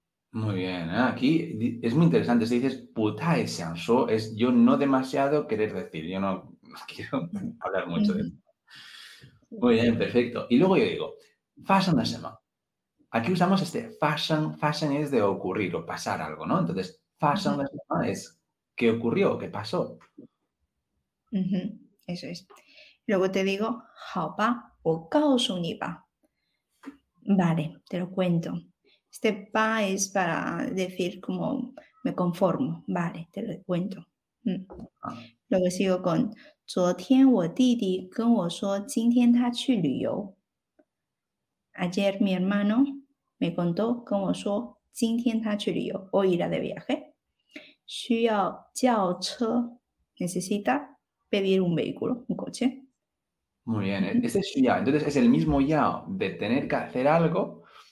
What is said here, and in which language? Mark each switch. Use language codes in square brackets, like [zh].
[es] Muy bien, aquí es muy interesante. Si dices putai xiangshuo, es yo no demasiado querer decir, yo no quiero hablar mucho de esto. Muy bien, perfecto. Y luego yo digo, fashion de semana. Aquí usamos este fashion. Fashion es de ocurrir o pasar algo, ¿no? Entonces, fashion de semana es qué ocurrió o qué pasó. Eso es. Luego te digo, [zh] "好吧，我告诉你吧." [es] Vale, te lo cuento. Este "va" es para decir como me conformo. Vale, te lo cuento. Luego sigo con [zh] "昨天我弟弟跟我说，今天他去旅游。 [es] Ayer mi hermano me contó, [zh] 跟我说，今天他去旅游。 [es] Hoy irá de viaje. [zh] 需要叫车。 [es] Necesita pedir un vehículo, un coche." Muy bien, ese es ya. Entonces es el mismo ya de tener que hacer algo,